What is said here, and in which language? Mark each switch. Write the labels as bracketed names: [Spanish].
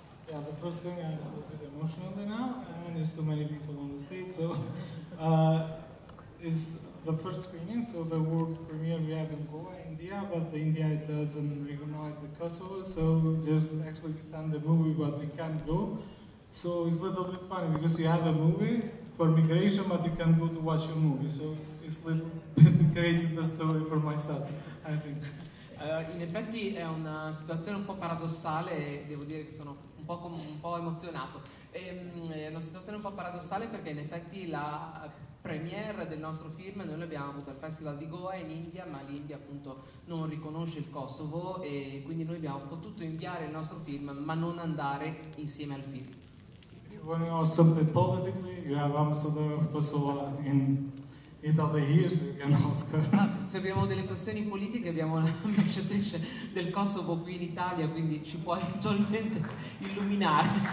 [English] Yeah, the first thing, I'm a bit emotional right now, and there's too many people on the stage, so it's the first screening, so the world premiere we had in Goa, India, but the India doesn't recognize the Kosovo, so just actually we send the movie, but we can't go. So it's a little bit funny, because you have a movie for migration, but you can't go to watch your movie, so it's a little bit creating the story for myself, I think. [Italian] In effetti è una situazione un po' paradossale, devo dire che sono un po' emozionato. È una situazione un po' paradossale perché in effetti la premiere del nostro film noi l'abbiamo avuto al Festival di Goa in India, ma l'India appunto non riconosce il Kosovo e quindi noi abbiamo potuto inviare il nostro film ma non andare insieme al film. Quando ho [English] something politically, you have ambassador of Kosovo in Italy here, so you can ask her. [Italian] Se abbiamo delle questioni politiche, abbiamo l'ambasciatrice del Kosovo qui in Italia, quindi ci può eventualmente illuminare.